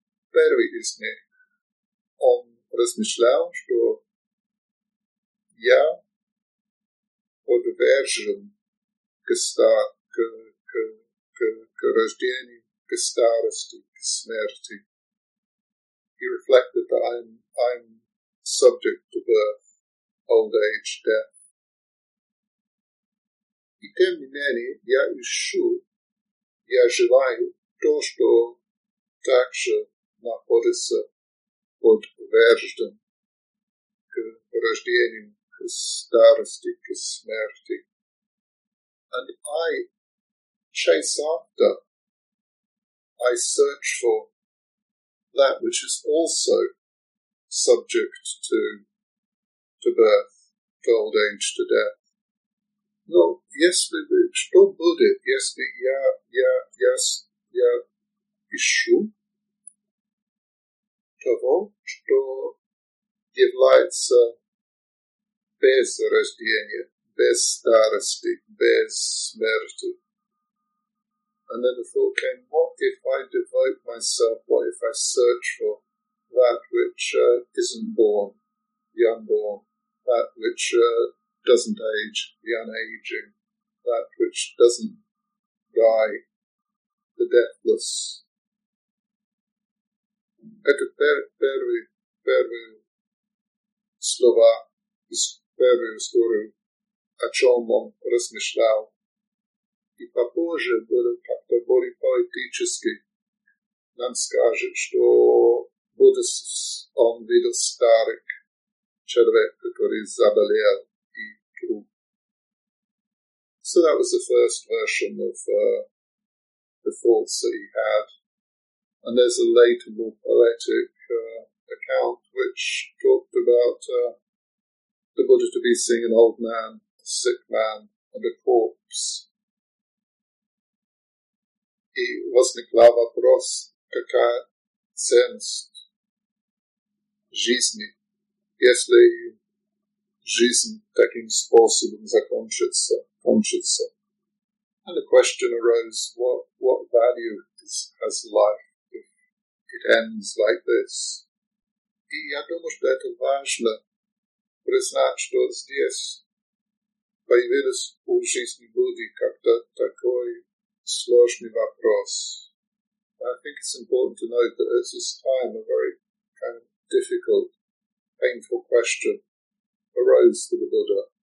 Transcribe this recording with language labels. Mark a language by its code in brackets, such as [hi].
[ru] Первый из них, он размышлял, что я подвержен к рождению, к старости, к смерти. [en] He reflected that I'm subject to birth, old age, death. [ru] И тем не менее, я ищу, я желаю то, что также находится подвержен к рождению, к старости, к смерти. [en] And I chase after, I search for that which is also subject to birth, to old age, to death. [ru] Но если бы, что будет, если я ищу того, что является без рождения, без старости, без смерти. [en] And then the thought came, what if I devote myself, what if I search for that which isn't born, the unborn, that which doesn't age, the unaging, that which doesn't die, the deathless. [ru] Это первый слова из первой истории, о чем он размышлял. И попозже было как-то более поэтически. Нам скажет, что Будда, он видел старик, человек, который заболел и труп. [en] So that was the first version of the thoughts that he had. And there's a later, more poetic account which talked about the Buddha to be seeing an old man, a sick man, and a corpse. [ru] И возникла вопрос, какая ценность жизни, если жизнь таким способом закончится. [en] And the question arose, what value has life if it ends like this? [ru] И я думаю, что это важно признать, что здесь появилось у жизни Будды как-то такой сложный вопрос. [en] And I think it's important to note that at this time a very kind of difficult, painful question arose for the Buddha